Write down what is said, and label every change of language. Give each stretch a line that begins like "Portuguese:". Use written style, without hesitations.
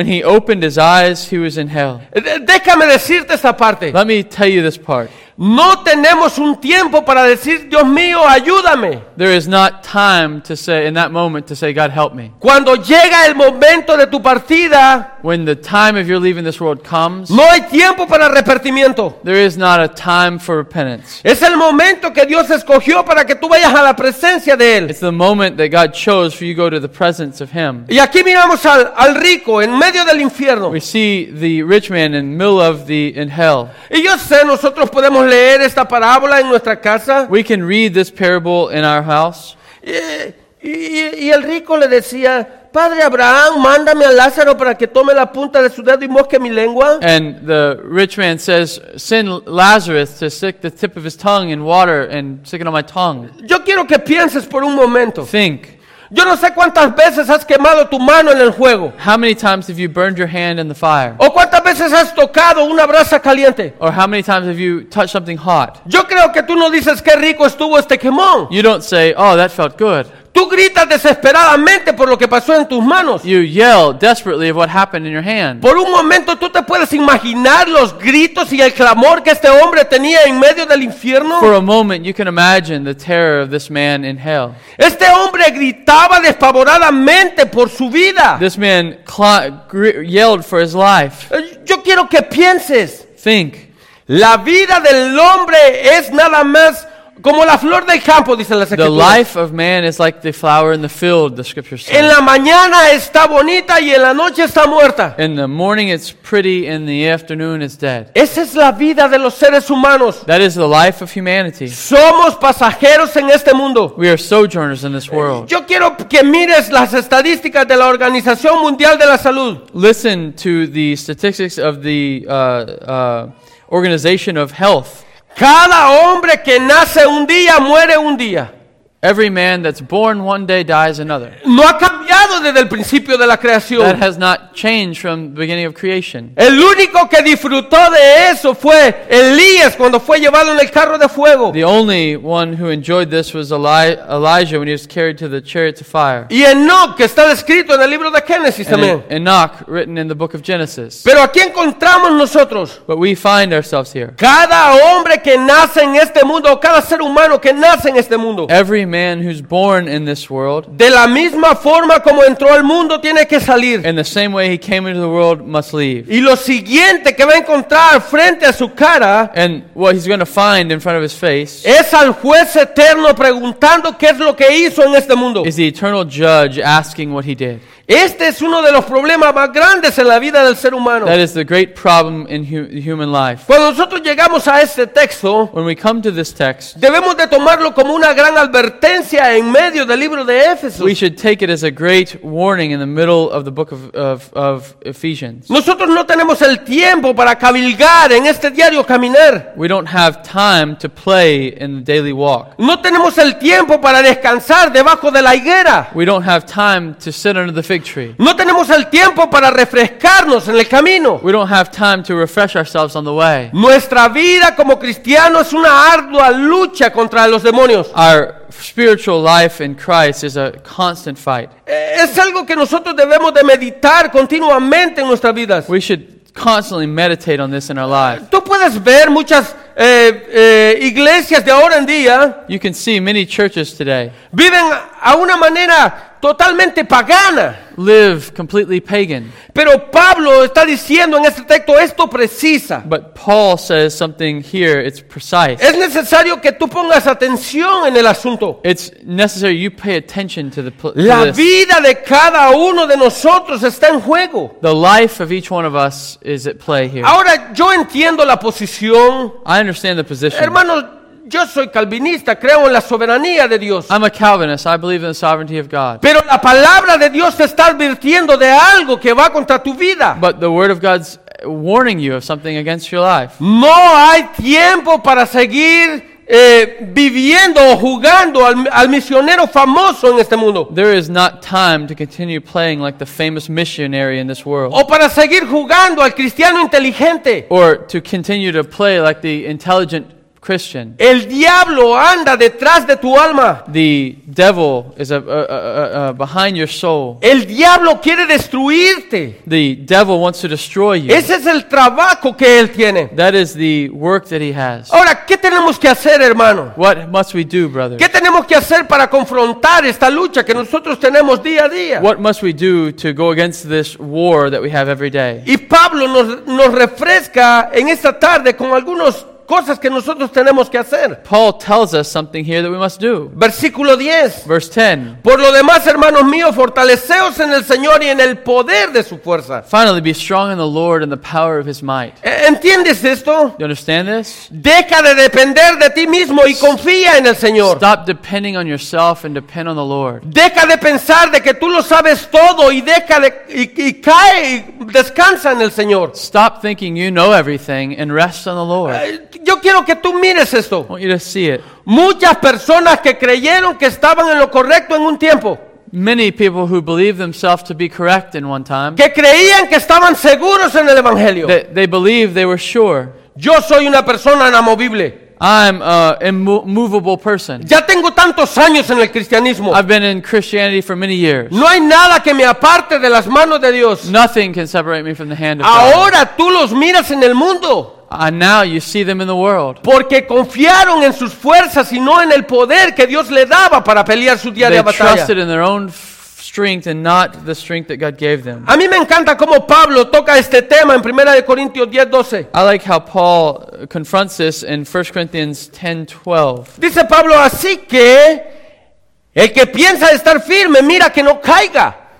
English: When he opened his eyes, he was in hell.
Spanish: Déjame decirte esta parte.
English: Let me tell you this part.
Spanish: No tenemos un tiempo para decir, Dios mío, ayúdame.
English: There is not time to say in that moment to say, God, help me.
Spanish: Cuando llega el momento de tu partida,
English: when the time of your leaving this world comes,
Spanish: no hay tiempo para arrepentimiento.
English: There is not a time for repentance.
Spanish: Es el momento que Dios escogió para que tú vayas a la presencia de él.
English: It's the moment that God chose for you to go to the presence of him.
Spanish: Y aquí miramos al rico en medio del infierno.
English: We see the rich man in middle of the in hell.
Spanish: Y yo sé, nosotros podemos leer esta parábola en nuestra casa.
English: We can read this parable in our house.
Spanish: Y el rico le decía, Padre Abraham, mándame a Lázaro para que tome la punta de su dedo y mosque mi lengua.
English: And the rich man says, send Lazarus to stick the tip of his tongue in water and stick it on my tongue.
Spanish: Yo quiero que pienses por un momento.
English: Think.
Spanish: Yo no sé cuántas veces has quemado tu mano en el fuego.
English: How many times have you burned your hand in the fire?
Spanish: O cuántas veces has tocado una brasa caliente.
English: Or how many times have you touched something hot?
Spanish: Yo creo que tú no dices qué rico estuvo este quemón.
English: You don't say, oh, that felt good.
Spanish: Tú gritas desesperadamente por lo que pasó en tus manos.
English: You yell desperately of what happened in your hand.
Spanish: Por un momento tú te puedes imaginar los gritos y el clamor que este hombre tenía en medio del infierno.
English: For a moment you can imagine the terror of this man in hell.
Spanish: Este hombre gritaba despavoradamente por su vida.
English: This man yelled for his life.
Spanish: Yo quiero que pienses.
English: Think.
Spanish: La vida del hombre es nada más como la flor del campo, dice la escritura.
English: The life of man is like the flower in the field, the scripture says.
Spanish: En la mañana está bonita y en la noche está muerta.
English: In the morning it's pretty, in the afternoon it's dead.
Spanish: Esa es la vida de los seres humanos.
English: That is the life of humanity.
Spanish: Somos pasajeros en este mundo.
English: We are sojourners in this world.
Spanish: Yo quiero que mires las estadísticas de la Organización Mundial de la Salud.
English: Listen to the statistics of the Organization of Health.
Spanish: Cada hombre que nace un día muere un día.
English: Every man that's born one day dies another.
Spanish: No ha cambiado desde el principio de la creación.
English: That has not changed from the beginning of creation.
Spanish: El único que disfrutó de eso fue Elías cuando fue llevado en el carro de fuego.
English: The only one who enjoyed this was Elijah when he was carried to the chariots of fire.
Spanish: Y Enoch, que está descrito en el libro de Génesis también.
English: Enoch, written in the book of Genesis.
Spanish: Pero aquí encontramos nosotros.
English: But we find ourselves here.
Spanish: Cada hombre que nace en este mundo, o cada ser humano que nace en este mundo.
English: Every man who's born in this world,
Spanish: de la misma forma como entró al mundo, tiene que salir.
English: In the same way he came into the world, must leave.
Spanish: Y lo siguiente que va a encontrar frente a su cara,
English: and what he's going to find in front of his face,
Spanish: es al juez eterno preguntando qué es lo que hizo en este mundo.
English: Is the eternal judge asking what he did.
Spanish: Este es uno de los problemas más grandes en la vida del ser humano.
English: That is the great problem in human life.
Spanish: Cuando nosotros llegamos a este texto,
English: when we come to this text,
Spanish: debemos de tomarlo como una gran advertencia en medio del libro de Éfeso.
English: We should take it as a great warning in the middle of the book of Ephesians.
Spanish: Nosotros no tenemos el tiempo para cabalgar en este diario caminar.
English: We don't have time to play in the daily walk.
Spanish: No tenemos el tiempo para descansar debajo de la higuera.
English: We don't have time to sit under the fig tree.
Spanish: No tenemos el tiempo para refrescarnos en el camino.
English: We don't have time to refresh ourselves on the way.
Spanish: Nuestra vida como cristiano es una ardua lucha contra los demonios.
English: Our spiritual life in Christ is a constant fight.
Spanish: Es algo que nosotros debemos de meditar continuamente en nuestras vidas.
English: We should constantly meditate on this in our lives.
Spanish: Tú puedes ver muchas iglesias de ahora en día.
English: You can see many churches today.
Spanish: Viven a una manera totalmente pagana.
English: Live completely pagan.
Spanish: Pero Pablo está diciendo en este texto esto precisa.
English: But Paul says something here, it's precise.
Spanish: Es necesario que tú pongas atención en el asunto.
English: It's necessary you pay attention to the
Spanish: La vida de cada uno de nosotros está en juego.
English: The life of each one of us is at play here.
Spanish: Ahora yo entiendo la posición.
English: I understand the position.
Spanish: Hermano, Yo soy calvinista, creo en la soberanía de Dios.
English: I'm a Calvinist. I believe in the sovereignty of God.
Spanish: Pero la palabra de Dios te está advirtiendo de algo que va contra tu vida.
English: But the word of God's warning you of something against your life.
Spanish: No hay tiempo para seguir viviendo o jugando al misionero famoso en este mundo.
English: There is not time to continue playing like the famous missionary in this world.
Spanish: O para seguir jugando al cristiano inteligente.
English: Or to continue to play like the intelligent Christian.
Spanish: El diablo anda detrás de tu alma.
English: The devil is behind your soul.
Spanish: El diablo quiere destruirte.
English: The devil wants to destroy you.
Spanish: Ese es el trabajo que él tiene.
English: That is the work that he has.
Spanish: Ahora, ¿qué tenemos que hacer, hermano?
English: What must we do, brother?
Spanish: ¿Qué tenemos que hacer para confrontar esta lucha que nosotros tenemos día a día?
English: What must we do to go against this war that we have every day?
Spanish: Y Pablo nos refresca en esta tarde con algunos cosas que nosotros tenemos que hacer.
English: Paul tells us something here that we must do.
Spanish: Versículo 10.
English: Verse 10.
Spanish: Por lo demás, hermanos míos, fortaleceos en el Señor y en el poder de su fuerza.
English: Finally, be strong in the Lord and the power of his might.
Spanish: ¿Entiendes esto?
English: You understand this?
Spanish: Deja de depender de ti mismo y confía en el Señor.
English: Stop depending on yourself and depend on the Lord.
Spanish: Deja de pensar de que tú lo sabes todo y cae y descansa en el Señor.
English: Stop thinking you know everything and rest on the Lord.
Spanish: Yo quiero que tú mires esto.
English: I want you to see it.
Spanish: Muchas personas que creyeron que estaban en lo correcto en un tiempo.
English: Many people who believed themselves to be correct in one time.
Spanish: Que creían que estaban seguros en el evangelio.
English: They believed they were sure.
Spanish: Yo soy una persona inamovible.
English: I'm an immovable person.
Spanish: Ya tengo tantos años en el cristianismo.
English: I've been in Christianity for many years.
Spanish: No hay nada que me aparte de las manos de Dios.
English: Nothing can separate me from the hand of
Spanish: Ahora
English: God.
Spanish: Ahora tú los miras en el mundo.
English: And now you see them in the world.
Spanish: Porque confiaron en sus fuerzas y no en el poder que Dios le daba para pelear su diaria batalla.
English: They trusted in their own strength and not the strength that God gave them.
Spanish: A mí me encanta cómo Pablo toca este tema en 1 Corintios 10, 12.
English: I like how Paul confronts this in 1 Corinthians 10, 12.
Spanish: Dice Pablo, así que el que piensa estar firme, mira que no caiga.